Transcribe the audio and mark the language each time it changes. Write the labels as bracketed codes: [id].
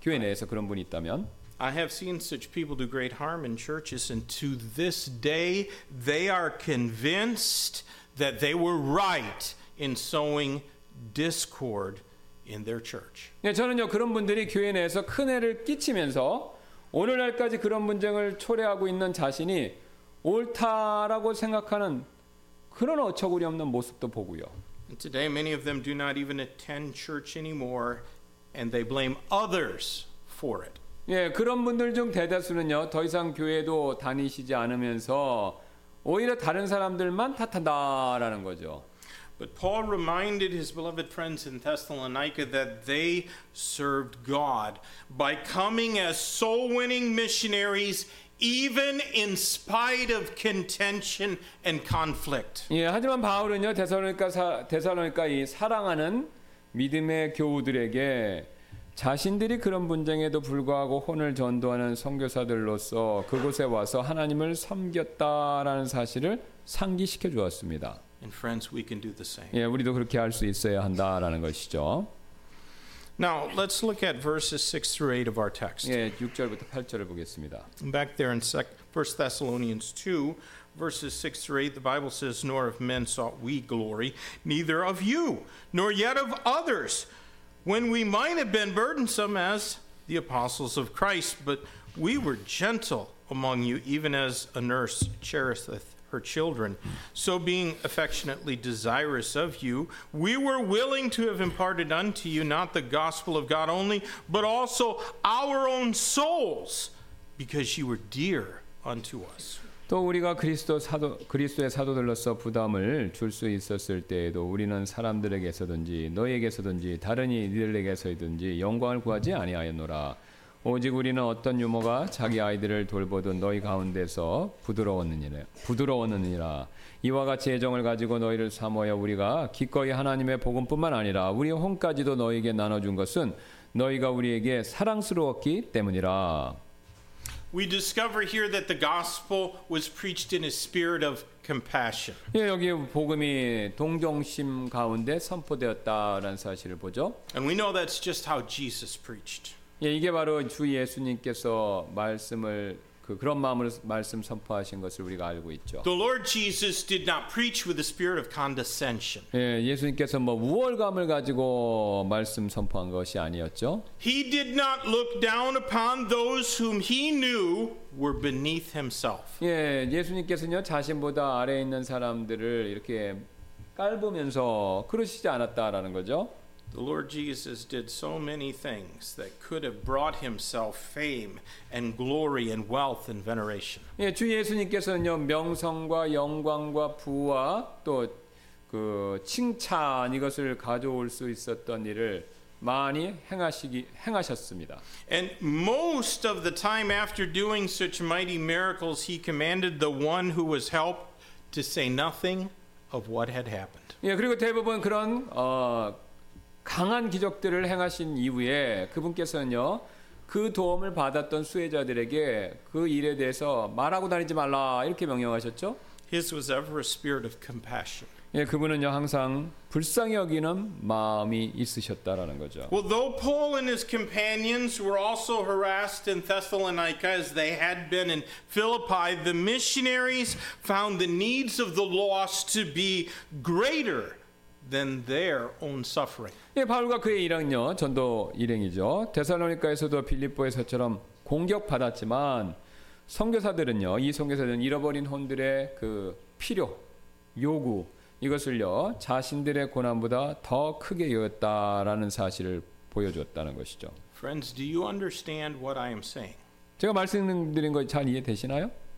[ko] 교회 내에서 그런 분이 있다면 [en] I have seen such people do great harm in churches and to this day they are convinced that they were right in sowing discord in their church. [ko] 예, 저는요 그런 분들이 교회 내에서 큰 해를 끼치면서 오늘날까지 그런 분쟁을 초래하고 있는 자신이 옳다라고 생각하는 그런 어처구니 없는 모습도 보고요. [en] And today many of them do not even attend church anymore and they blame others for it. [ko] 예, 그런 분들 중 대다수는요 더 이상 교회도 다니시지 않으면서 오히려 다른 사람들만 탓한다라는 거죠. [en] But Paul reminded his beloved friends in Thessalonica that they served God by coming as soul-winning missionaries even in spite of contention and conflict. [ko] 예, 하지만 바울은요, 데살로니카 이 사랑하는 믿음의 교우들에게 자신들이 그런 분쟁에도 불구하고 혼을 전도하는 선교사들로서 그곳에 와서 하나님을 섬겼다라는 사실을 상기시켜 주었습니다. [en] And friends, we can do the same. [ko] 예, 우리도 그렇게 할 수 있어야 한다라는 것이죠. [en] Now, let's look at verses 6 through 8 of our text. [ko] 예, 6절부터 8절을 보겠습니다. [en] Back there in 1 Thessalonians 2, verses 6 through 8, the Bible says, Nor of men sought we glory, neither of you, nor yet of others, when we might have been burdensome as the apostles of Christ, but we were gentle among you, even as a nurse cherisheth her children. So being affectionately desirous of you, we were willing to have imparted unto you not the gospel of God only, but also our own souls, because you were dear unto us. [ko] 또 우리가 그리스도의 사도들로서 부담을 줄 수 있었을 때에도 우리는 사람들에게서든지 너에게서든지 다른 이들에게서든지 영광을 구하지 아니하였노라. 오직 우리는 어떤 유모가 자기 아이들을 돌보던 너희 가운데서 부드러웠느니라. 이와 같이 애정을 가지고 너희를 사모하여 우리가 기꺼이 하나님의 복음뿐만 아니라 우리 혼까지도 너희에게 나눠준 것은 너희가 우리에게 사랑스러웠기 때문이라. [en] We discover here that the gospel was preached in a spirit of compassion. [ko] 예, 여기 복음이 동정심 가운데 선포되었다라는 사실을 보죠. [en] And we know that's just how Jesus preached. [ko] 예, 이게 바로 주 예수님께서 말씀을 그런 마음으로 말씀 선포하신 것을 우리가 알고 있죠. [en] The Lord Jesus did not preach with a spirit of condescension. [ko] 예, 예수님께서 뭐 우월감을 가지고 말씀 선포한 것이 아니었죠. [en] He did not look down upon those whom he knew were beneath himself. [ko] 예, 예수님께서는요 자신보다 아래 있는 사람들을 이렇게 깔보면서 그러시지 않았다라는 거죠. [en] The Lord Jesus did so many things that could have brought himself fame and glory and wealth and veneration. [ko] 예, 주 예수님께서는요 명성과 영광과 부와 또 그 칭찬 이것을 가져올 수 있었던 일을 많이 행하셨습니다. [en] And most of the time after doing such mighty miracles, he commanded the one who was helped to say nothing of what had happened. [ko] 예, 그리고 대부분 그런 강한 기적들을 행하신 이후에 그분께서는요 그 도움을 받았던 수혜자들에게 그 일에 대해서 말하고 다니지 말라 이렇게 명령하셨죠. [en] His was ever a spirit of compassion. [ko] 예, 그분은요 항상 불쌍히 여기는 마음이 있으셨다라는 거죠. [en] Well, though Paul and his companions were also harassed in Thessalonica as they had been in Philippi, the missionaries found the needs of the lost to be greater than their own suffering. [ko] 예, 바울과 그의 일행요, 전도 일행이죠. 데살로니가에서도 빌립보에서처럼 공격받았지만 선교사들은요, 이 선교사들은 잃어버린 혼들의 그 필요, 요구 이것을요 자신들의 고난보다 더 크게 여겼다라는 사실을 보여줬다는 것이죠. [en] Friends, do you understand what I am saying? [ko] 제가 말씀드린 거 잘 이해되시나요?